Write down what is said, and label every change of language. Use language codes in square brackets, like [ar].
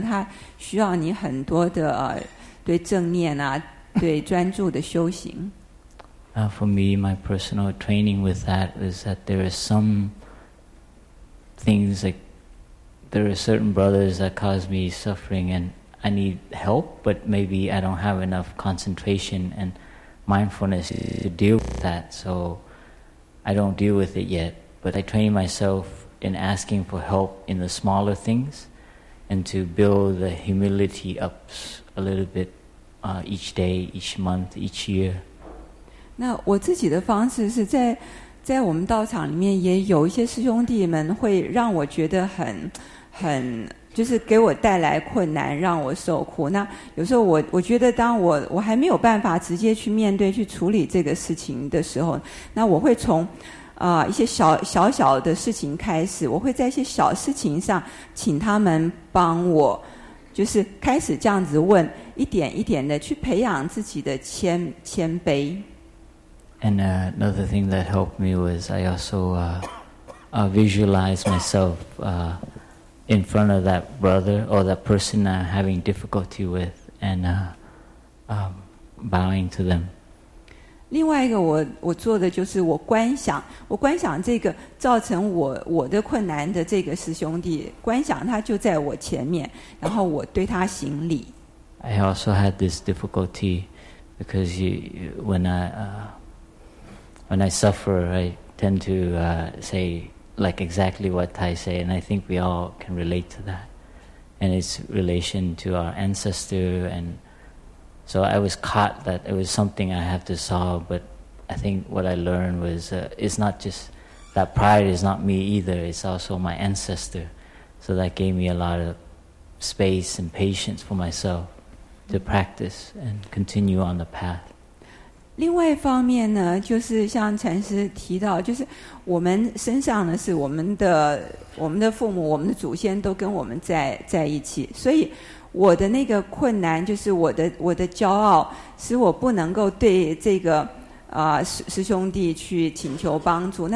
[zh] 它需要你很多的对正念啊，对专注的修行。 [en] For me, my personal training with that is that there are some things like there are certain brothers that cause me suffering and. I need help, but maybe I don't have enough concentration and mindfulness to deal with that, so I don't deal with it yet. But I train myself in asking for help in the smaller things and to build the humility up a little bit each day, each month, each year. [zh] 那我自己的方式是在我们道场里面也有一些师兄弟们会让我觉得很就是给我带来困难，让我受苦。那有时候我觉得当我还没有办法直接去面对去处理这个事情的时候，那我会从一些小的事情开始，我会在一些小事情上请他们帮我，就是开始这样子问，一点一点的去培养自己的谦卑。 [en] And another thing that helped me was I also visualized myself in front of that brother or that person I'm having difficulty with and bowing to them. [zh] 另外一个我做的就是我观想这个造成我的困难的这个师兄弟，观想他就在我前面，然后我对他行礼。 [en] I also had this difficulty because when I suffer, I tend to say like exactly what Thay say, and I think we all can relate to that. And it's relation to our ancestor, and so I was caught that it was something I have to solve, but I think what I learned was it's not just that pride is not me either, it's also my ancestor. So that gave me a lot of space and patience for myself to practice and continue on the path. [zh] 另外一方面呢，就是像禅师提到，就是我们身上呢是我们的父母，我们的祖先都跟我们在一起，所以我的那个困难就是我的骄傲，使我不能够对这个师兄弟去请求帮助。